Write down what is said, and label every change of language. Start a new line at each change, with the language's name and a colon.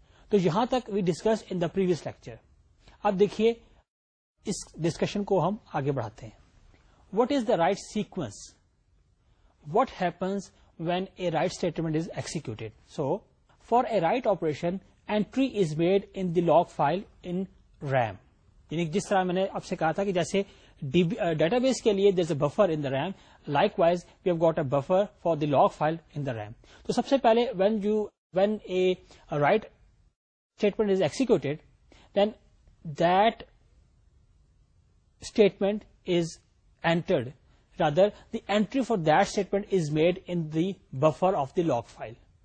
Urdu: So yahan tak
English: we discussed in the previous lecture.
Urdu: Ab dekhiye is discussion ko hum aage badhate hain.
English: What is the write sequence? What happens when a write statement is executed? So, for a write operation, entry is made in the log file in RAM.
Urdu: یعنی جس طرح میں نے آپ سے کہا تھا کہ جیسے ڈیٹا بیس کے لیے
English: there is a buffer in the RAM likewise we have got a buffer for the log file in the RAM
Urdu: تو سب سے پہلے
English: when a write statement is executed, then that statement is entered. Rather, the entry for that statement is made in the buffer of the log file.